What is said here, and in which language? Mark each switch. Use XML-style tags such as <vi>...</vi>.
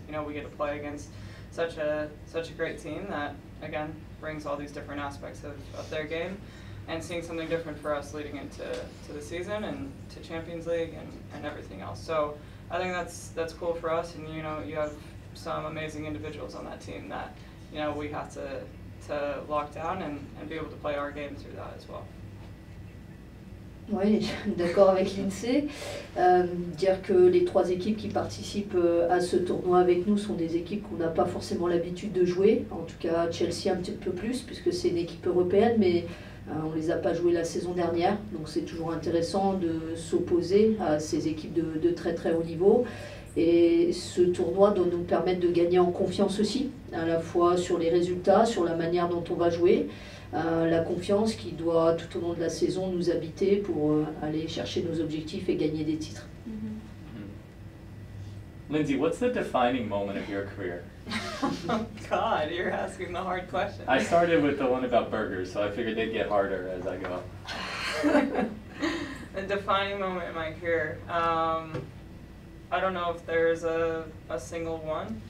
<en>You know, we get to play against such a great team that, again, brings all these different aspects of their game, and seeing something different for us leading into the season and to Champions League and everything else. So I think that's cool for us, and you know, you have some amazing individuals on that team that, you know, we have to lock down and be able to play our game through that as well.</en> <fr>Oui, d'accord avec Lindsay. Dire que les trois équipes qui participent à ce tournoi avec nous sont des équipes qu'on n'a pas forcément l'habitude de jouer. En tout cas, Chelsea un petit peu plus, puisque c'est une équipe européenne, mais on ne les a pas jouées la saison dernière. Donc c'est toujours intéressant de s'opposer à ces équipes de très très haut niveau. Et ce tournoi doit nous permettre de gagner en confiance aussi, à la fois sur les résultats, sur la manière dont on va jouer. La confiance qui doit tout au long de la saison nous habiter pour aller chercher nos objectifs et gagner des titres. Mm-hmm.</fr> <en>Lindsay, what's the defining moment of your career? God, you're asking the hard questions. I started with the one about burgers, so I figured they'd get harder as I go. The defining moment in my career. I don't know if there's a single one.</en>